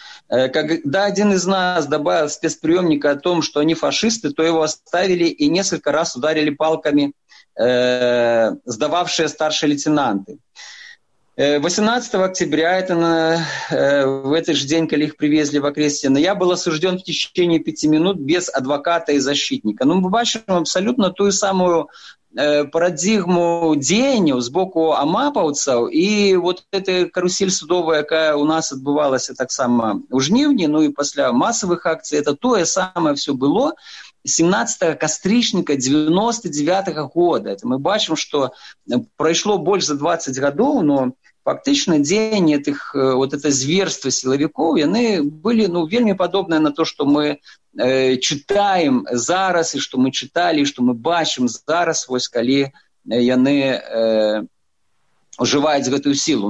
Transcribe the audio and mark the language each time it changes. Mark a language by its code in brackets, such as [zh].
[ru] Когда один из нас добавил спецприемника о том, что они фашисты, то его оставили и несколько раз ударили палками сдававшие старшие лейтенанты. 18 октября, в этот же день, когда их привезли в Окрестино, я был осужден в течение 5 минут без адвоката и защитника. [be] Но мы бачимо абсолютно ту самую парадигму деяння з боку амапаўцаў і вот эта карусель судовая, якая у нас адбывалася таксама ў жніўні, ну і пасля масавых акцый, это тое самае все было 17 кастрычніка 99 года. Это мы бачым, што прайшло больш за 20 гадоў, но фактычна дзеянні этих вот это зверства сілавікоў, яны былі, ну, вельмі падобныя на то, што мы читаем зараз, [ru] и что мы читали, [be] и что мы бачим зараз, вось, коли яны уживают в эту силу.